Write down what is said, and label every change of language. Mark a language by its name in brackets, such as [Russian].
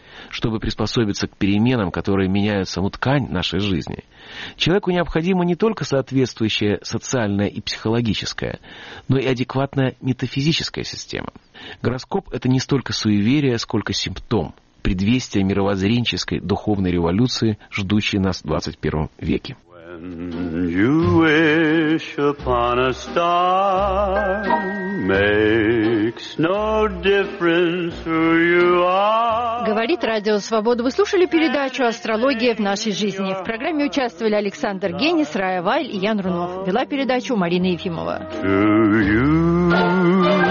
[Russian] Чтобы приспособиться к переменам, которые меняют саму ткань нашей жизни, человеку необходимо не только соответствующая социальная и психологическая, но и адекватная метафизическая система. Гороскоп – это не столько суеверие, сколько симптом, предвестие мировоззренческой духовной революции, ждущей нас в 21 веке. [English] When you wish... wish upon a star makes no difference who you are. [Russian] Говорит Радио Свобода. Вы слушали передачу «Астрология в нашей жизни». В программе участвовали Александр Генис, Рая Вайль и Ян Рунов. Вела передачу Марина Ефимова. [English] To you.